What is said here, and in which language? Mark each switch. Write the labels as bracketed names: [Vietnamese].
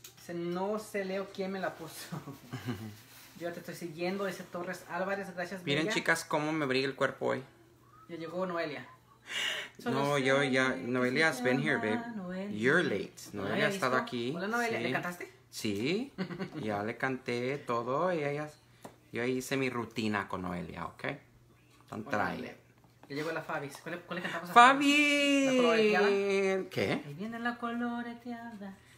[Spanish] Dice, no sé, Leo, quién me la puso. Yo te estoy siguiendo, dice Torres Álvarez. Gracias, Bianca. Miren, chicas, cómo me brilla el cuerpo hoy. Ya llegó Noelia. No, yo ya, [English] Noelia has been here, babe. [Spanish] Noelia. [English] You're late. [Spanish] Noelia ha estado aquí. Hola, Noelia, sí. ¿Le cantaste? Sí, ya le canté todo y yo hice mi rutina con Noelia, ¿ok? [English] Don't try it. [Spanish] Ya llegó la Fabis. ¿Cuál le cantamos a Fabi? ¡Fabi! ¿La coloreteada? ¿Qué? Ahí viene la coloreteada.